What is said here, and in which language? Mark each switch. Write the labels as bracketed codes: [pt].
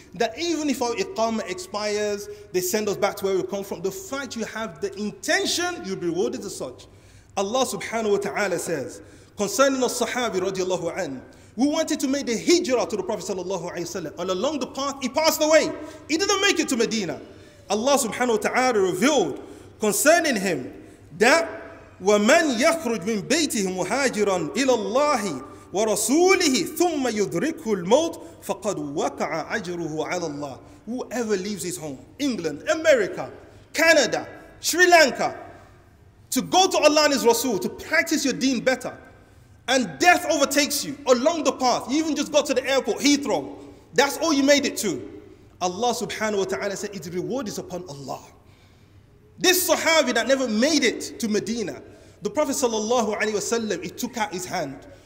[en] That even if our iqama expires, they send us back to where we come from. The fact you have the intention, you'll be rewarded as such. Allah subhanahu wa ta'ala says, concerning the sahabi radiallahu anhu, we wanted to make the hijrah to the Prophet sallallahu alayhi wa sallam. And along the path, he passed away. He didn't make it to Medina. [ar] Allah subhanahu wa ta'ala [en] revealed concerning him that [ar] وَمَنْ يَخْرُجْ مِنْ بَيْتِهِ مُهَاجِرًا إِلَى اللَّهِ وَرَسُولِهِ ثُمَّ يُدْرِكُهُ الْمَوْتِ فَقَدْ وَقَعَ عَجْرُهُ عَلَى اللَّهِ. [en] Whoever leaves his home, England, America, Canada, Sri Lanka, to go to Allah and His Rasul, to practice your deen better, and death overtakes you along the path, you even just got to the airport, Heathrow, that's all you made it to. Allah subhanahu wa ta'ala said, its reward is upon Allah. This Sahabi that never made it to Medina, the Prophet sallallahu alaihi wasallam, he took out his hand.